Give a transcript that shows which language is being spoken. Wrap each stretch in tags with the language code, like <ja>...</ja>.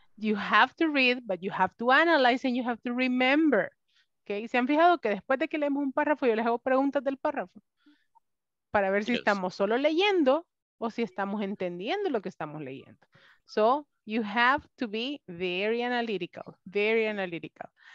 <en>You have to read, but you have to analyze and you have to remember. Okay.</en> <es>¿Se han fijado que después de que leemos un párrafo, yo les hago preguntas del párrafo? Para ver si estamos solo leyendo o si estamos entendiendo lo que estamos leyendo.</es> <en>So you have to be very analytical, very analytical.</en>